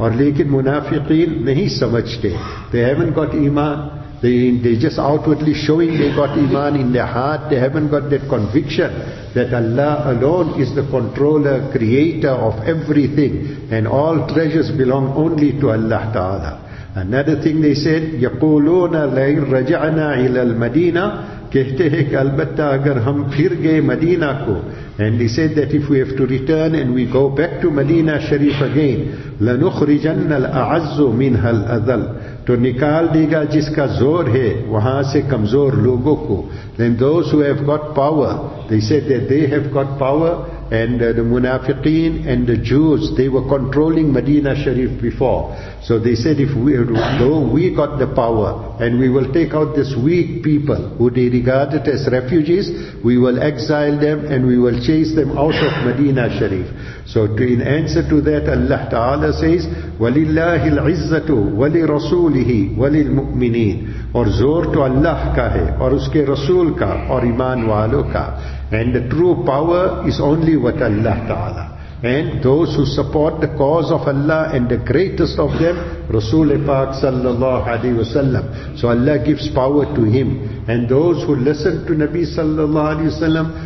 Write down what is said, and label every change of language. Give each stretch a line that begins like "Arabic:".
English: Or
Urdu: لیکن منافقین نہیں سمجھتے.
English: They haven't got iman. They just outwardly showing they got iman in their heart. They haven't got that conviction that Allah alone is the controller, creator of everything, and all treasures belong only to Allah Ta'ala. Another thing they said,
Arabic: يَقُولُونَ لَئِن رَجَعْنَا إِلَى الْمَدِينَةِ.
Urdu: کہتے ہیں کہ البتہ اگر ہم پھر گئے مدینہ کو.
English: And he said that if we have to return and we go back to Medina Sharif again,
Arabic: لَنُخْرِجَنَّ الْأَعَزُّ مِنْهَا الْأَذَلُ.
Urdu: تو نکال دے گا جس کا زور ہے وہاں سے کمزور لوگوں کو.
English: Then those who have got power, they said that they have got power, and the Munafiqeen and the Jews, they were controlling Medina Sharif before. So they said, if we got the power and we will take out this weak people who they regarded as refugees, we will exile them and we will chase them out of Medina Sharif. So in answer to that, Allah Ta'ala says,
Arabic: وَلِلَّهِ الْعِزَّةُ وَلِرَسُولِهِ وَلِلْمُؤْمِنِينَ.
Urdu: اور زور تو اللہ کا ہے اور اس کے رسول کا اور ایمان والوں کا.
English: And the true power is only with Allah Ta'ala. And those who support the cause of Allah, and the greatest of them, Rasul-e-Pak sallallahu alayhi wasallam. So Allah gives power to him. And those who listen to Nabi sallallahu alayhi wasallam,